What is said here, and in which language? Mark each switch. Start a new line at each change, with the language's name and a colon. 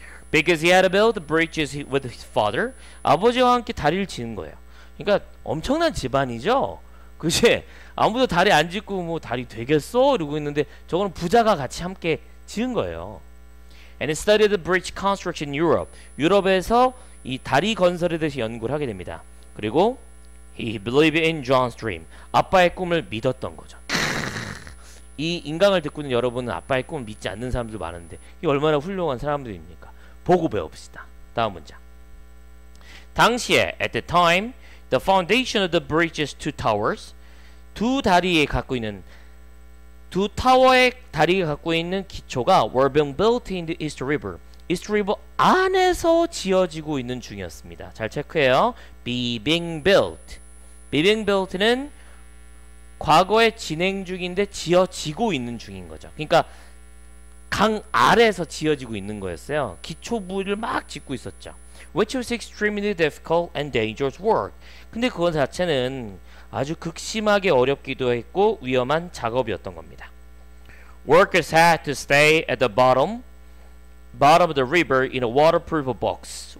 English: Because he had built bridges with his father.
Korean: 아버지와 함께 다리를 지은 거예요. 그러니까 엄청난 집안이죠. 그치? 아무도 다리 안 짓고 뭐 다리 되겠어? 이러고 있는데 저거는 부자가 같이 함께 지은 거예요.
English: And he studied the bridge construction in Europe.
Korean: 유럽에서 이 다리 건설에 대해서 연구를 하게 됩니다. 그리고
English: he believed in John's dream.
Korean: 아빠의 꿈을 믿었던 거죠. 이 인강을 듣고 있는 여러분은 아빠의 꿈을 믿지 않는 사람들 많은데 이 얼마나 훌륭한 사람들입니까? 보고 배웁시다. 다음 문장. 당시에
English: at the time the foundation of the bridge's two towers
Korean: 두 다리에 갖고 있는 두 타워의 다리가 갖고 있는 기초가
English: were being built in the East River.
Korean: East River 안에서 지어지고 있는 중이었습니다. 잘 체크해요.
English: Be being built.
Korean: Be being built는 과거에 진행 중인데 지어지고 있는 중인 거죠. 그러니까 강 아래에서 지어지고 있는 거였어요. 기초 부위를 막 짓고 있었죠.
English: Which was extremely difficult and dangerous work.
Korean: 근데 그건 자체는 아주 극심하게 어렵기도 했고 위험한 작업이었던 겁니다.
English: Workers had to stay at the bottom of the river in a waterproof box.